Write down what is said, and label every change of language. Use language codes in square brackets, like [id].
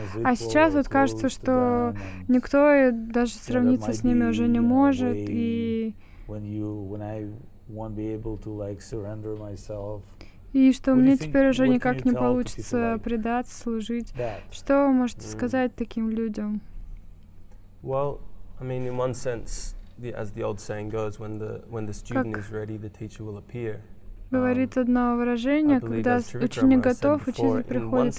[ru] А сейчас вот кажется, что никто даже сравниться с ними уже не может. И что мне теперь уже никак не получится предаться, служить. Что вы можете сказать таким людям? [en] Well, I mean, in one sense, as the old saying goes, when the student is ready, the teacher will appear. [ru] Говорит одно выражение, когда ученик готов, учитель приходит.